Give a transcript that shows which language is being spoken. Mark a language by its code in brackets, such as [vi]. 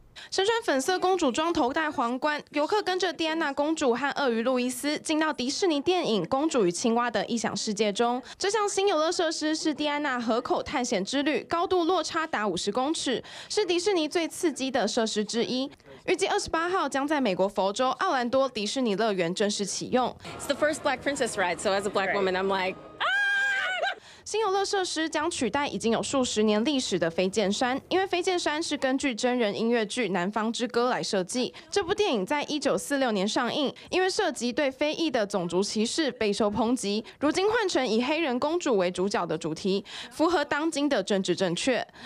[zh] 身穿粉色公主装头戴皇冠，游客跟着蒂安娜公主和鳄鱼路易斯进到迪士尼电影《公主与青蛙》的异想世界中。这项新游乐设施是蒂安娜河口探险之旅，高度落差达50公尺，是迪士尼最刺激的设施之一。预计28号将在美国佛州奥兰多迪士尼乐园正式启用。 [en] It's the first Black Princess ride, so as a Black woman, I'm like. [zh] 新游乐设施将取代已经有数十年历史的飞剑山，因为飞剑山是根据真人音乐剧《南方之歌》来设计。这部电影在1946年上映，因为涉及对非裔的种族歧视备受抨击。如今换成以黑人公主为主角的主题，符合当今的政治正确。